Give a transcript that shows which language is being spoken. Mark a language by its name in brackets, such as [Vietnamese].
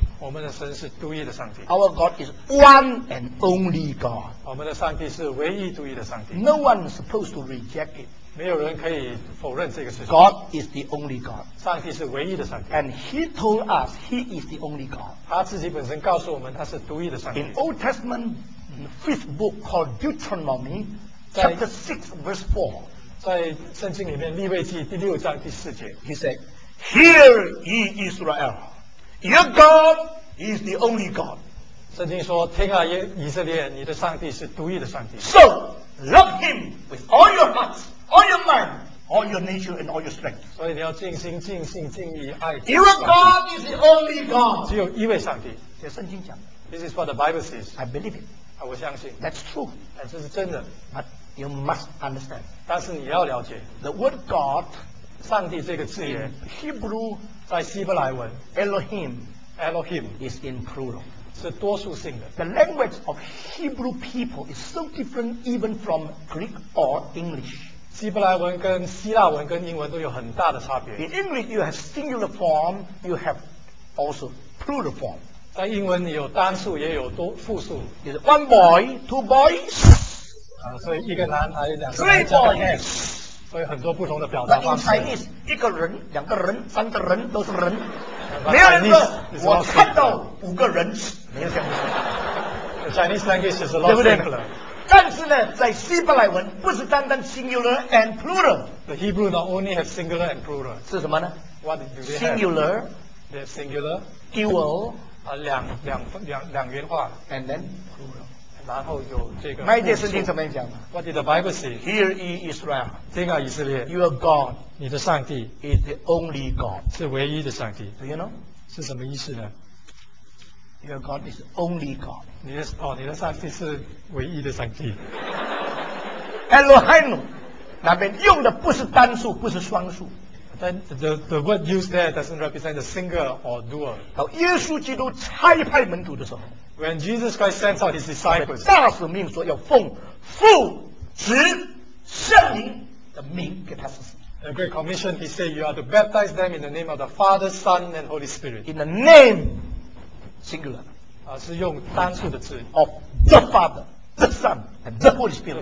[Chinese] 我们的神是独一的上帝。 [English] Our God is one and only God. [Chinese] 我们的上帝是唯一独一的上帝。 [English] No one is supposed to reject it. [Chinese] 没有人可以否认这个事情。 [English] God is the only God. [Chinese] 上帝是唯一的上帝。 [English] And he told us he is the only God. [Chinese] 他自己本身告诉我们他是独一的上帝。 [English] In Old Testament, the fifth book called Deuteronomy, chapter 6, verse 4. [Chinese] 在圣经里面利未记第六章第四节。 [English] He said, Hear ye Israel, your God is the only God. [Chinese] 圣经说听啊以色列你的上帝是独一的上帝。 [English] So, love him with all your hearts. All your mind, all your nature, and all your strength. [Chinese] 所以你要尽心、尽性、尽意爱。 [English] Your God is the only God. [Chinese] 只有一位上帝。这圣经讲。 [English] This is what the Bible says. I believe it. [Chinese] 我相信。 [English] That's true. [Chinese] 但这是真的。 [English] But you must understand. [Chinese] 但是你要了解。 [English] The word God, [Chinese] 上帝这个字眼 [English] ，Hebrew [Chinese] 在希伯来文 [English] ，Elohim is in plural. [Chinese] 是多数性的。 [English] The language of Hebrew people is so different even from Greek or English. [Chinese] 希伯来文跟希腊文跟英文都有很大的差别。 [English] In English, you have singular form, you have also plural form. [Chinese] 在英文你有单数也有多复数。 [English] It's one boy, two boys. [Chinese] 所以一个男孩两个。 [English] Three boys. [Chinese] 所以很多不同的表达方式。 [English] But in Chinese, [Chinese] 一个人、两个人、三个人都是人。没有人说我看到五个人，没有这样子。 [English] The Chinese language is a lot simpler. [Chinese] 但是呢，在希伯来文不是单单 [English] singular and plural. The Hebrew not only has singular and plural. [Chinese] 是什么呢 [English] ？What do they have? Singular. They have singular. Dual. [Chinese] 啊，两元化。 [English] And then plural. [Chinese] 然后有这个。那一件事情怎么讲 [English] ？What did the Bible say? Hear ye Israel. [Chinese] 听啊，以色列。 [English] You are God. [Chinese] 你的上帝。 [English] Is the only God. [Chinese] 是唯一的上帝。 [English] Do you know? [Chinese] 是什么意思呢？ [English] Your God is only God. [Chinese] 你的哦，你的上帝是唯一的上帝。 Elohim 那边用的不是单数，不是双数。 [English] Then the word used there doesn't represent a single or dual. [Chinese] 到耶稣基督差派门徒的时候 [English] ，When Jesus Christ sends out his disciples, [Chinese] 大使命说要奉父、子、圣灵的名给他施洗。 [English] The Great Commission, he said, you are to baptize them in the name of the Father, Son, and Holy Spirit. In the name. Singular, [Chinese] 啊，是用单数的字 [English] of the Father, the Son, and the Holy Spirit.